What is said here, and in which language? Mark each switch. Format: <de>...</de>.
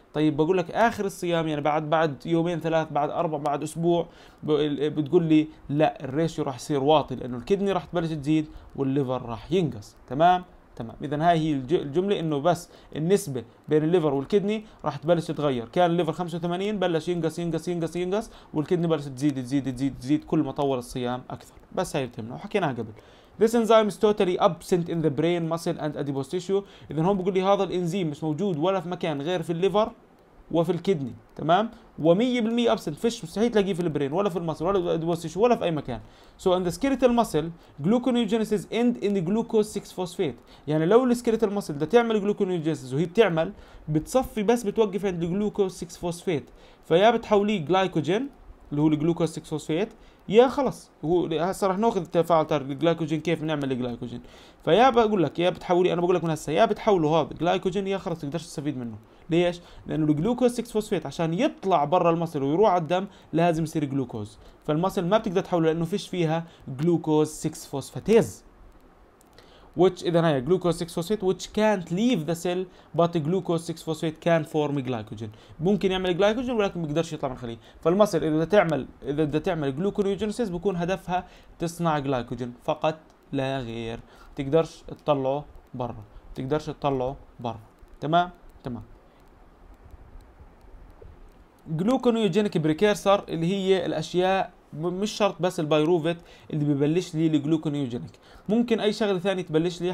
<ar>طيب بقول لك اخر الصيام يعني بعد يومين ثلاث بعد اربع بعد اسبوع بتقول لي لا الريشيو راح يصير واطي لانه الكدني راح تبلش تزيد والليفر راح ينقص. تمام. اذا هاي هي الجمله، انه بس النسبه بين الليفر والكدني راح تبلش تتغير. كان الليفر 85 بلش ينقص ينقص ينقص ينقص، والكدني بلش تزيد تزيد تزيد تزيد كل ما طول الصيام اكثر. بس هاي بتهمنا وحكيناها قبل.</ar> <en>This enzyme is totally absent in the brain, muscle and adipose tissue.</en> <ar>إذن هون بقول لي هذا الإنزيم مش موجود ولا في مكان غير في الليفر وفي الكدني. تمام؟ و 100% absent، فش مستحيل تلاقيه في البرين ولا في المصل ولا في adipose tissue ولا في أي مكان.</ar> <en>So in the skeletal muscle, gluconeogenesis end in the glucose 6 phosphate.</en> <ar>يعني لو السكيلتال مسل بدها تعمل gluconeogenesis وهي بتعمل بتصفي بس بتوقف عند glucose 6 phosphate. فيا بتحوليه glycogen اللي هو الجلوكوز 6 فوسفيت، يا خلص هو هسه رح ناخذ التفاعل تاع الجلايكوجين كيف بنعمل الجلايكوجين. فيا بقول لك يا بتحولي، انا بقول لك من هسه يا بتحولوا هذا جلايكوجين يا خلص تقدرش تستفيد منه. ليش؟ لانه الجلوكوز 6 فوسفيت عشان يطلع برا المصل ويروح على الدم لازم يصير جلوكوز، فالمصل ما بتقدر تحوله لانه فيش فيها جلوكوز 6 فوسفاتيز.</ar> <en>Which</en> <ar>إذا هي</ar> <en>glucose 6 phosphate which can't leave the cell but glucose 6 phosphate can form glycogen.</en> <ar>ممكن يعمل glycogen ولكن ما بيقدرش يطلع من الخليه. فالمصل إذا تعمل gluconeogenesis بكون هدفها تصنع glycogen فقط لا غير، تقدرش تطلعه برا، تقدرش تطلعه برا. تمام. gluconeogenic precursor اللي هي الأشياء مش شرط بس البيروفيت اللي ببلش لي الجلوكونيوجينيك، ممكن اي شغله ثانيه تبلش لي.</ar>